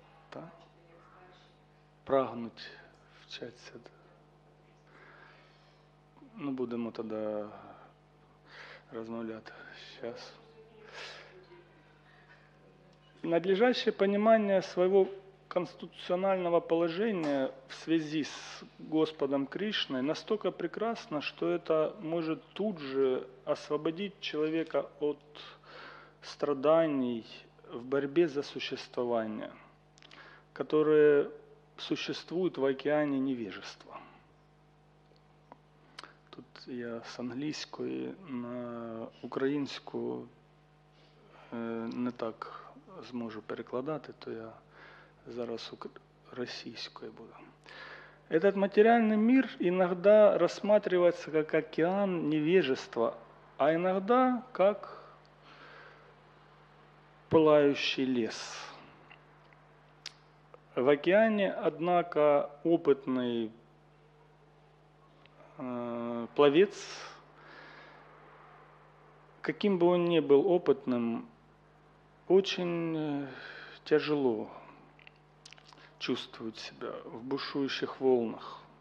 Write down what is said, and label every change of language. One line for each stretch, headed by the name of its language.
Ukrainian: Та? Прагнуть вчаться. Ну, будемо тоді розмовляти. Зараз.
Russian: Надлежащее понимание своего конституционального положения в связи с Господом Кришной настолько прекрасно, что это может тут же освободить человека от страданий в борьбе за существование, которые существуют в океане невежества.
Ukrainian: Тут я
Russian: с английской на украинскую
Ukrainian: не так зможу перекладати, то я зараз російською буду.
Russian: Этот материальный мир иногда рассматривается как океан невежества, а иногда как пылающий лес. В океане, однако, опытный пловец, каким бы он ни был опытным, очень тяжело чувствует себя в бушующих волнах.